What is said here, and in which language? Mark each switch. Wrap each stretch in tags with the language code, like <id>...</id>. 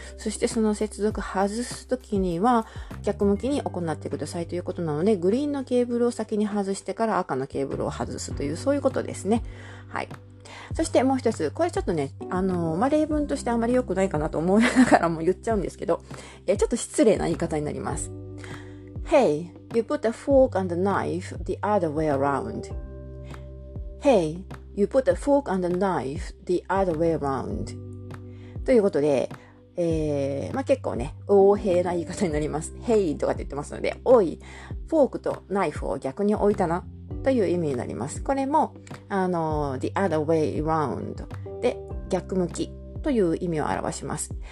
<ja>そしてその接続外すときには逆向きに行ってくださいということなので、グリーンのケーブルを先に外してから赤のケーブルを外すという、そういうことですね。はい。そしてもう一つ、これちょっとね、例文としてあまり良くないかなと思いながらも言っちゃうんですけど、ちょっと失礼な言い方になります。</ja> <en>Hey! You put the fork and the knife the other way around. Hey, you put the fork and the knife the other way around.</en> <ja>ということで、結構ね、横柄な言い方になります。 Hey とかって言ってますので、おい、フォークとナイフを逆に置いたなという意味になります。これも、</ja> <en>the other way around</en> <ja>で逆向きという意味を表します。</ja>